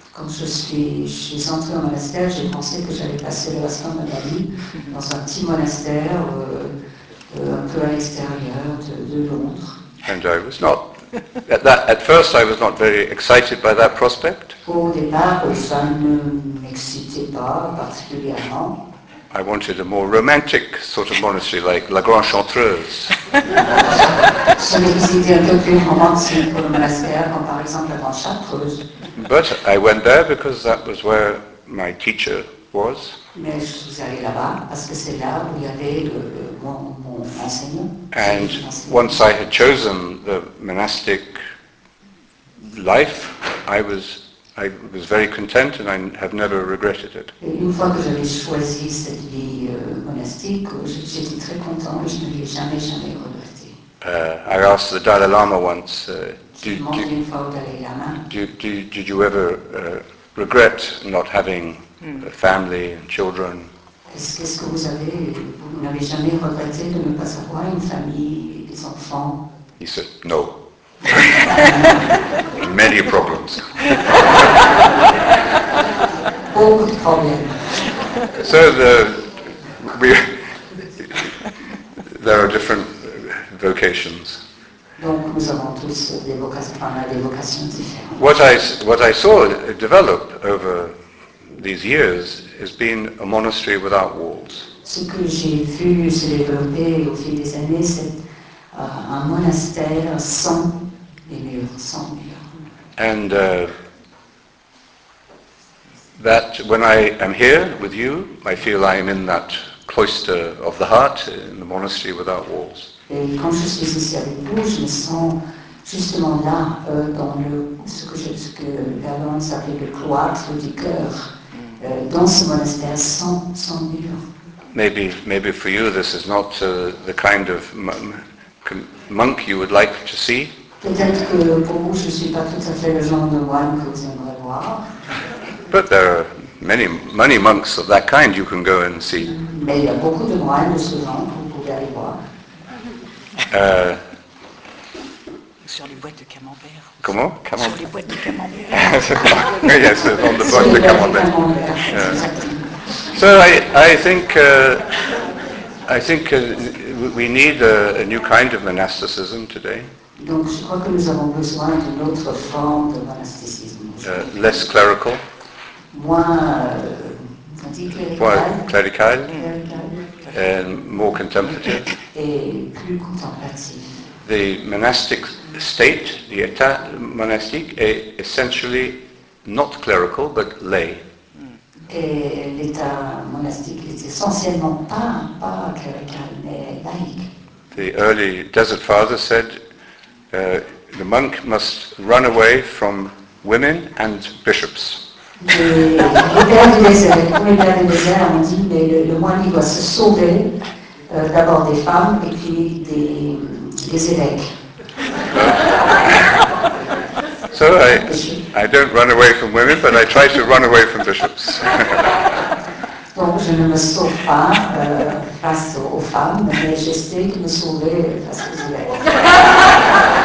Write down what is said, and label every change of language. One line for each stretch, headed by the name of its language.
French: Quand je suis entré au monastère, j'ai pensé que j'allais passer le reste de ma vie dans un petit monastère un peu à l'extérieur de Londres.
English: And I was not. At first, I was not very excited by that prospect.
French: Au départ, ça ne m'excitait pas particulièrement.
English: I wanted a more romantic sort of monastery, like La Grande Chantreuse.
French: Je voulais visiter un peu plus romantique comme monastère, comme par exemple La Grande Chantreuse.
English: But I went there because that was where my teacher was.
French: Mais je suis allé là-bas parce que c'est là où il y avait mon enseignant.
English: And once I had chosen the monastic life, I was very content and I have never regretted it.
French: Et une fois que j'avais choisi cette vie monastique, j'étais très content et je ne l'ai jamais regretté.
English: I asked the Dalai Lama once, did you ever regret not having a family and children?
French: Qu'est-ce que vous n'avez jamais regretté de ne pas avoir une famille et des enfants?
English: He said, no. Many problems.
French: Beaucoup de problèmes.
English: So there are different vocations.
French: Donc nous avons tous des vocations différentes.
English: What I saw develop over these years has been a monastery without walls.
French: Ce que j'ai vu se développer au fil des années, c'est un monastère sans les murs, sans murs.
English: And that when I am here with you, I feel I am in that cloister of the heart, in the monastery without walls.
French: Et quand je suis ici avec vous, je me sens justement là, dans ce que Gavin s'appelait le cloître du cœur, dans ce monastère sans mur.
English: Maybe for you this is not the kind of monk you would like to see.
French: Peut-être que pour vous je ne suis pas tout à fait le genre de moine que vous aimeriez voir.
English: But there are many monks of that kind you can go and see.
French: Mais il y a beaucoup de moines de ce genre que vous pouvez aller voir. Sur les boîtes de camembert. Comment? Sur les boîtes de camembert.
English: Yes, on the
French: boîtes de camembert.
English: Yeah. So I think we need a new kind of monasticism today.
French: Donc je crois que nous avons besoin d'une autre forme de monasticisme.
English: Less clerical.
French: Moins clerical.
English: And more contemplative.
French: Et plus contemplatif.
English: The monastic state, the
French: état monastique, est
English: essentially not clerical but lay.
French: Et l'état monastique est essentiellement pas clerical mais laïque.
English: The early desert father said the monk must run away from women and bishops.
French: Le moine il doit se sauver d'abord des femmes et puis des évêques.
English: So I don't run away from women, but I try to run away from bishops.
French: Donc je ne me sauve pas face aux femmes, mais j'essaie de me sauver face aux évêques.